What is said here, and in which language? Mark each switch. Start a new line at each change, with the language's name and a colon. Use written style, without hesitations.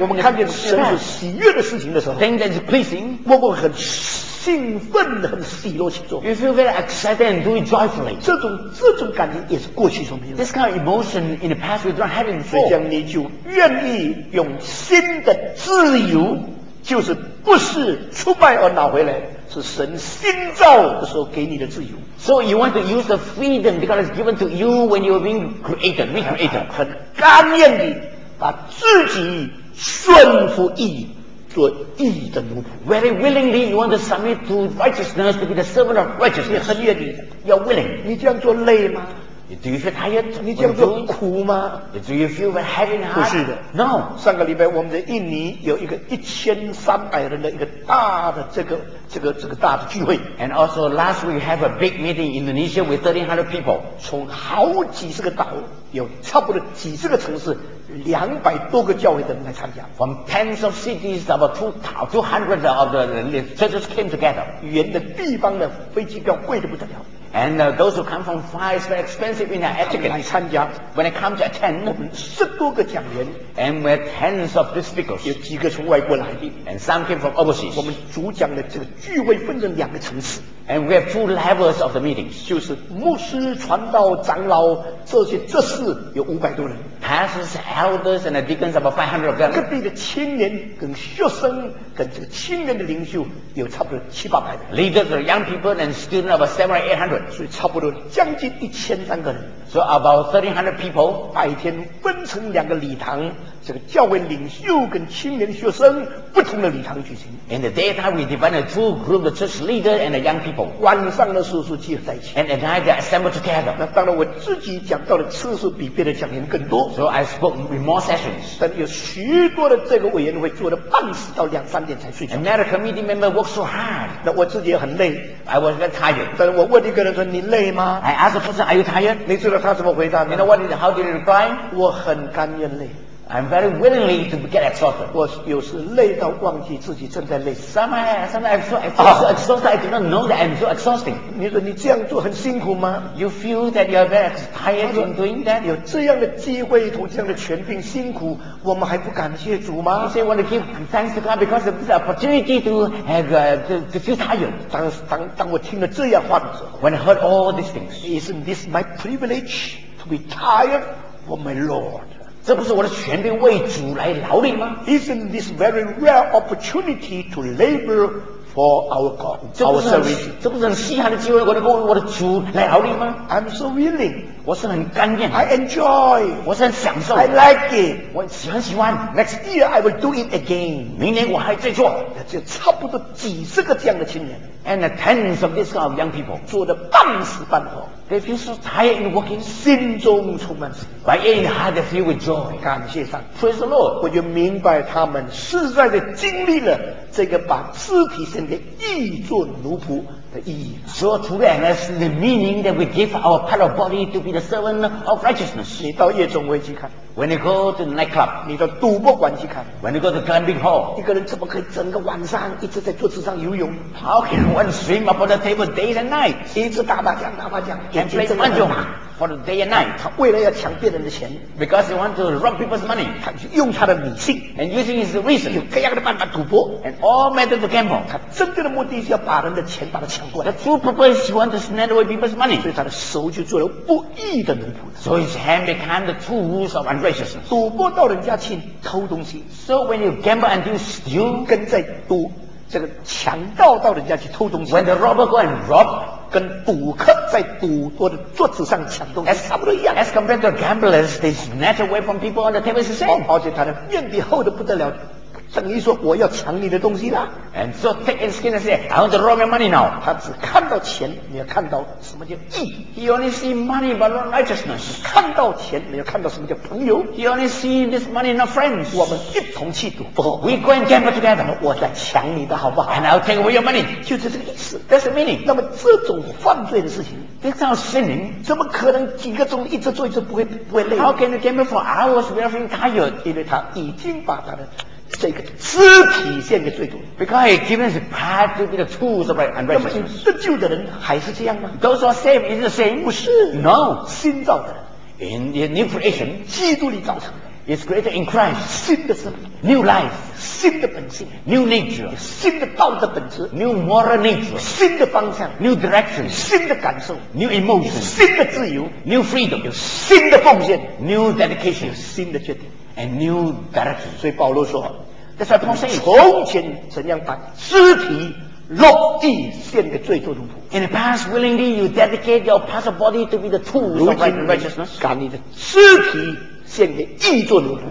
Chinese: 我们看见神所喜悦的事情的时候
English: ，Thing that is pleasing，
Chinese: 我们很。兴奋的很喜乐去做
English: ，You feel very excited and do it joyfully。
Chinese: 这种感觉也是过去所没有的。
English: This kind of emotion in the past we don't have it before。
Chinese: 这样你就愿意用新的自由，就是不是出卖而拿回来，是神新造的时候给你的自由。
English: So you want to use the freedom because it's given to you when you were being created, recreated。
Chinese: 很甘愿地把自己顺服意。做义的奴仆
English: ，very willingly you want to submit to righteousness to be the servant of righteousness。
Chinese: 你很愿意
English: ，you're willing。
Chinese: 你这样做累吗
English: ？Do you feel tired？
Chinese: 你这样做苦吗
English: ？Do you feel very heavy in heart？
Chinese: 不是的
English: ，no。
Chinese: 上个礼拜我们在印尼有一个1300人的一个大的这个大的聚会
English: ，and also last week we have a big meeting in Indonesia with 1300 people。
Chinese: 从好几十个岛，有差不多几十个城市。 200多个教会的人来参加。
English: From tens of cities, about two hundred of the churches came together.
Chinese: 远的地方的飞机票贵得不得了。
English: And those who come from far is very expensive in their etiquette.
Chinese: 来参加。
English: When they come to attend,
Chinese: 我们10多个讲员。
English: And we have tens of the speakers.
Chinese: 有几个从外国来的。
English: And some came from overseas.
Chinese: 我们主讲的这个聚会分成两个层次。
English: And we have two levels of the meetings.
Chinese: 就是牧师、传道、长老这些这事有500多人。
English: Pastors, elders, and deacons about 500 of them.
Chinese: 各地的青年跟学生跟这个青年的领袖有差不多700-800人。
English: Leaders are young people and students about 700-800.
Chinese: 所以差不多将近1300个人。
English: So about 1300 people.
Chinese: 白天分成两个礼堂，这个教会领袖跟青年学生不同的礼堂举行。
English: In the daytime, we divided two groups of church leaders and the young people.
Chinese: 晚上的时候集合在一起。
English: And at night, they assembled together.
Chinese: 那当然，我自己讲到的次数比别的讲员更多。
English: So I spoke in more sessions.
Chinese: 但有许多的这个委员会做的半死到两三点才睡觉。
English: And many committee members work so hard.
Chinese: 那我自己也很累。
English: I was very tired.
Chinese: 但我问一个人说：“你累吗？”
English: I asked the person, "Are you tired?"
Chinese: 你知道他怎么回答吗？
English: You know what? How did he reply?
Chinese: 我很甘愿累。
English: I'm very willingly to get exhausted.
Chinese: 我有时累到忘记自己正在累。
English: Sometimes I'm so exhausted. I do not know that I'm so exhausting.
Chinese: 你说你这样做很辛苦吗？
English: You feel that you are very tired in doing that.
Chinese: 有这样的机会和这样的权柄，辛苦我们还不感谢主吗？
English: You say want to give thanks to God because of this opportunity to have to feel tired.
Chinese: 当我听了这样话的时候，
English: when I heard all these things, isn't this my privilege to be tired for my Lord?
Chinese: 这不是我的权柄为主来劳力吗？
English: Isn't this very rare opportunity to labor for our God, our service?
Chinese: 这不是很稀罕的机会，我能够为我的主来劳力吗？
English: I'm so willing.
Chinese: 我是很甘愿。
English: I enjoy.
Chinese: 我是很享受。
English: I like it.
Chinese: 我很喜欢。
English: Next year I will do it again.
Chinese: 明年我还再做。就差不多几十个这样的青年。
English: And tens of these kind of young people.
Chinese: 做得半死半活。
English: They feel so tired in working.
Chinese: 心中充满喜悦。
English: But in heart they feel with joy.
Chinese: 感谢上帝。
English: Praise the Lord.
Chinese: 我就明白他们实在地经历了这个把肢体献给义做奴仆的意义。
English: So to them is the meaning that we give our part of body to be the servant of righteousness.
Chinese: 你到夜总会去看。
English: When you go to the nightclub,
Chinese: 你到赌博馆去看。
English: When you go to the gambling hall,
Chinese: 一个人怎么可以整个晚上一直在桌子上游泳
English: ？How can one swim up on the table days and nights?
Chinese: 一直打麻将，眼睛睁得很大。
English: For the day and night,
Chinese: 他为了要抢别人的钱
English: ，because he want to rob people's money,
Chinese: 他就用他的理性
English: ，and using his reason,
Chinese: 用各样的办法赌博
English: ，and all methods of gamble.
Chinese: 他真正的目的是要把人的钱把他抢过来。
English: The true purpose he want to snatch away people's money.
Chinese: 所以他的手就做了不义的奴仆。
English: So his hand became the tools of unrighteousness.
Chinese: 赌博到人家去偷东西。
English: So when you gamble and you steal,
Chinese: 跟在赌这个强盗到人家去偷东西。
English: When the robber go and rob.
Chinese: 跟赌客在赌桌的桌子上抢东西差不多一样。
English: As compared to gamblers, they snatch away from people on the table is the same.
Chinese: 而且他的面皮厚得不得了，等于说我要抢你的东西啦。
English: And so thick and skin and say, I want to rob your money now.
Chinese: 他只看到钱，没有看到什么叫义。
English: He only see money but not righteousness.
Chinese: 看到钱，没有看到什么叫朋友。
English: He only see this money not friends.
Chinese: 我们一同去赌博。
English: We go and gamble together.
Chinese: 我在抢你的好不好？
English: And I'll take away your money.
Chinese: 就是这个意思。
English: That's the meaning.
Chinese: 那么这种犯罪的事情。
English: This sounds sinning.
Chinese: 怎么可能几个钟一直做一直不会累？
English: How can you gamble for hours without being tired?
Chinese: 因为他已经把他的这个肢体献给罪毒
English: ，because he given his part to be the tools of unrighteousness。
Chinese: 那么得救的人还是这样吗
English: ？Those are same, is the same？
Chinese: 不是
English: ，No，
Chinese: 新造的人
English: ，in the new creation，
Chinese: 基督里造成的
English: ，is greater in Christ，
Chinese: 新的生命
English: ，new life，
Chinese: 新的本性
English: ，new nature，
Chinese: 新的道德本质
English: ，new moral nature，
Chinese: 新的方向
English: ，new direction，
Chinese: 新的感受
English: ，new emotion，
Chinese: 新的自由
English: ，new freedom，
Chinese: 有新的奉献
English: ，new dedication，
Chinese: 新的决定。
English: And new direction.
Chinese: 所以保罗说
English: ，That's why Paul says,
Chinese: 从前怎样把肢体肉体献给罪做奴仆。
English: In the past, willingly you dedicate your part of body to be the tool of righteousness.
Chinese: 把你的肢体献给义做奴仆。